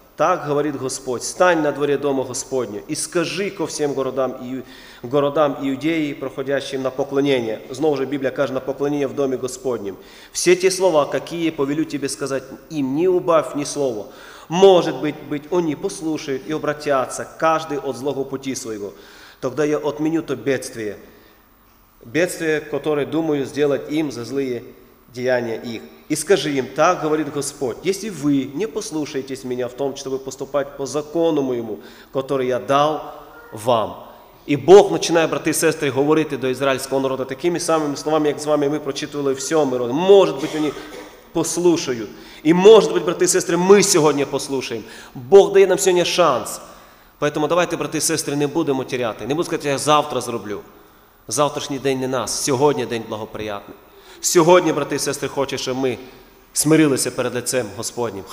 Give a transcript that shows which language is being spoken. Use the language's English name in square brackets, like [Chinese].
[Ukrainian] Так, говорить Господь, стань на дворі дому Господню і скажи ко всім городам Іудеї, проходящим на поклонення». Знову же Біблія каже «на поклонення в домі Господнім». «Всі ті слова, які я повелю тебе сказати, їм не убавь ні слова. Може бути, вони послушають і обратяться, кожен від злого пути свого. Тогда я отміню то бідствие». [Russian] Бедствие, которое думаю сделать им за злые деяния их. И скажи им, так говорит Господь, если вы не послушаетесь меня в том, чтобы поступать по закону моему, который я дал вам. И Бог начинает, братья и сестры, говорить до израильского народа такими самыми словами, как с вами мы прочитывали в 7-й роде. Может быть, они послушают. И может быть, братья и сестры, мы сегодня послушаем. Бог дает нам сегодня шанс. Поэтому давайте, братья и сестры, не будем теряти. Не будем сказать, я завтра зроблю. Завтрашний день не нас. [Ukrainian] Сьогодні день благоприятний. Сьогодні, брати і сестри, хочу, щоб ми смирилися перед лицем Господнім.